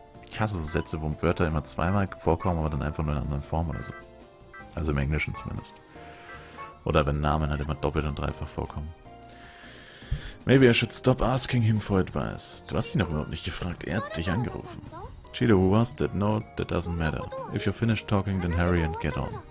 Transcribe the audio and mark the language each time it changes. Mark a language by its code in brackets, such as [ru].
[de] Ich hasse so Sätze, wo Wörter immer zweimal vorkommen, aber dann einfach nur in einer anderen Form oder so. Also im Englischen zumindest. Oder wenn Namen halt immer doppelt und dreifach vorkommen. [en] Maybe I should stop asking him for advice. [de] Du hast ihn doch überhaupt nicht gefragt, er hat dich angerufen. [en] Shido, who was that? No, that doesn't matter. If you're finished talking, then hurry and get on.